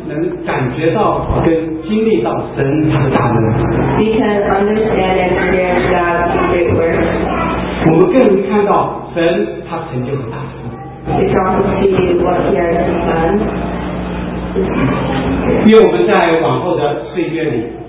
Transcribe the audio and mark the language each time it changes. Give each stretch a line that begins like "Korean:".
Chinese: 能感觉到跟经历到神他的大能。
English: We can understand and experience God's great work.
Chinese: 我们更能看到神他成就的大能。
English: We can also see what He has done.
Chinese: 愿我们在往后的岁月里。